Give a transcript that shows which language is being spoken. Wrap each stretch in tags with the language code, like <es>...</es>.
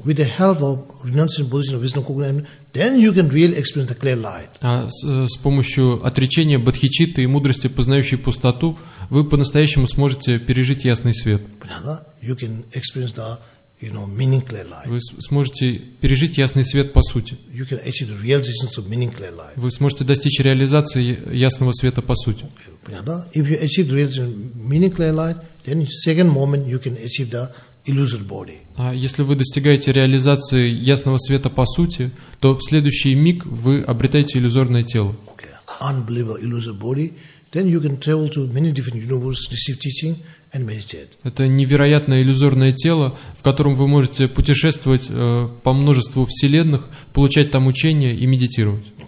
<en>With the help of renunciation, bodhicitta, wisdom, cognizance, emptiness, then you can really experience the clear light.</en> <ru>А с помощью отречения, бодхичитты и мудрости, познающей пустоту, вы по-настоящему сможете пережить ясный свет. Понятно?</ru> <en>You can experience the, you know, meaning clear life.</en> <ru>Вы сможете пережить ясный свет по сути.</ru> <en>You can achieve the realization of meaning clear life.</en> <ru>Вы сможете достичь реализации ясного света по сути.</ru> <en>Okay. If you achieve the realization of meaning clear life, then second moment you can achieve the illusory body.</en> <ru>А если вы достигаете реализации ясного света по сути, то в следующий миг вы обретаете иллюзорное тело.</ru> <en>Okay. Unbelievable illusory body, then you can travel to many different universes, receive teaching.</en> <ru>Это невероятное иллюзорное тело, в котором вы можете путешествовать по множеству вселенных, получать там учения и медитировать.</ru>